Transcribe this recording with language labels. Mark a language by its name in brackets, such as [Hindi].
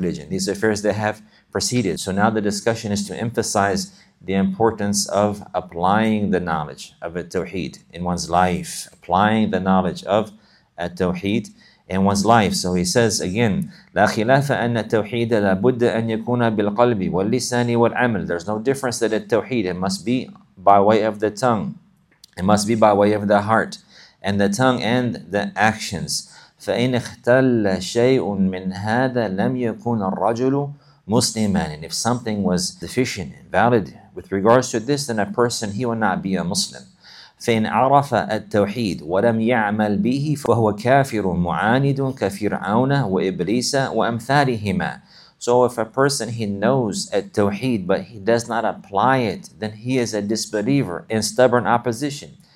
[English] These affairs that have proceeded. So now the discussion is to emphasize the importance of applying the knowledge of a tawheed in one's life. Applying the knowledge of a tawheed in one's life. So he says again, [Arabic] لَا خِلَافَ أَنَّ التَّوْحِيدَ لَابُدَّ أَنْ يَكُونَ بِالْقَلْبِ وَاللِّسَانِ وَالْعَمَلِ. [English] There's no difference that a tawheed, it must be by way of the tongue. It must be by way of the heart and the tongue and the actions. [Arabic] فَإِنْ اخْتَلَّ شَيْءٌ مِّنْ هَذَا لَمْ يَكُونَ الرَّجُلُ Musliman. [English] And if something was deficient, invalid with regards to this, then a person, he will not be a Muslim. [Arabic] فَإِنْ عَرَفَ التَّوْحِيدُ وَلَمْ يَعْمَلْ بِهِ فَهُوَ كَافِرٌ مُعَانِدٌ كَفِرْعَوْنَ وَإِبْلِيسَ وَأَمْثَالِهِمَا. [English] So if a person, he knows التوحيد but he does not apply it, then he is a disbeliever in stubborn opposition.